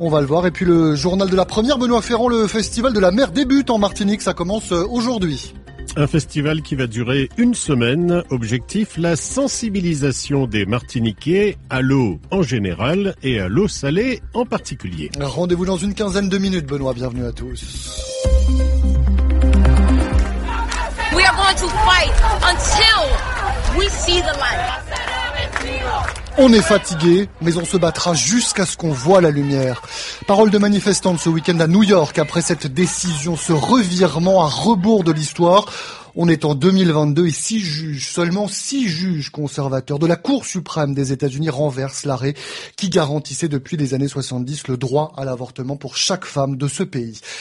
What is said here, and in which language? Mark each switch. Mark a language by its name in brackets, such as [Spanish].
[French] On va le voir. Et puis le journal de la première, Benoît Ferrand, le festival de la mer débute en Martinique. Ça commence aujourd'hui. Un festival qui va durer une semaine. Objectif, la sensibilisation des Martiniquais à l'eau en général et à l'eau salée en particulier. Rendez-vous dans une quinzaine de minutes, Benoît. Bienvenue à tous. [English] We are going to fight until we see the light. [French] On est fatigué, mais on se battra jusqu'à ce qu'on voit la lumière. Parole de manifestante ce week-end à New York, après cette décision, ce revirement à rebours de l'histoire. On est en 2022 et six juges, seulement six juges conservateurs de la Cour suprême des États-Unis renversent l'arrêt qui garantissait depuis les années 70 le droit à l'avortement pour chaque femme de ce pays.